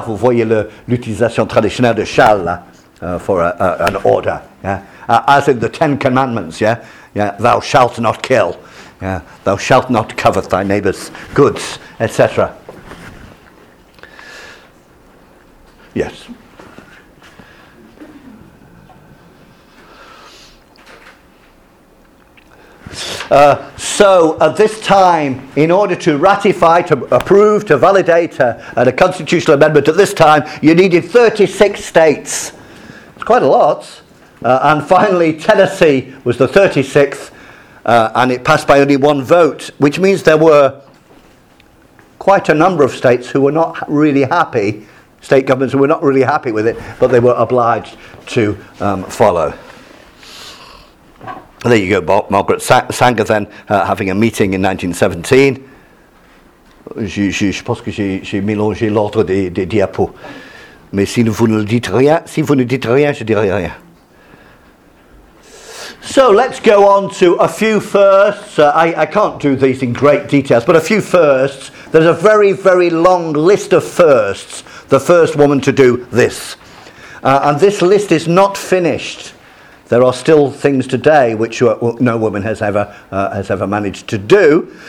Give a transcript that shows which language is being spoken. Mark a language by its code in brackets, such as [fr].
[fr] Vous voyez l'utilisation traditionnelle de [en] shall for an order. Yeah, as in the Ten Commandments. Yeah, yeah. Thou shalt not kill. Yeah, thou shalt not covet thy neighbor's goods, etc. Yes. At this time, in order to ratify, to approve, to validate a constitutional amendment at this time, you needed 36 states. It's quite a lot. And finally, Tennessee was the 36th, and it passed by only one vote, which means there were quite a number of states who were not really happy. State governments were not really happy with it, but they were obliged to follow. There you go, Margaret Sanger then, having a meeting in 1917. [fr] Je pense que j'ai mélangé l'ordre des diapos. Mais si vous ne dites rien, je dirai rien. [en] So let's go on to a few firsts. I can't do these in great details, but a few firsts. There's a very, very long list of firsts. The first woman to do this. And this list is not finished. There are still things today which no woman has ever managed to do.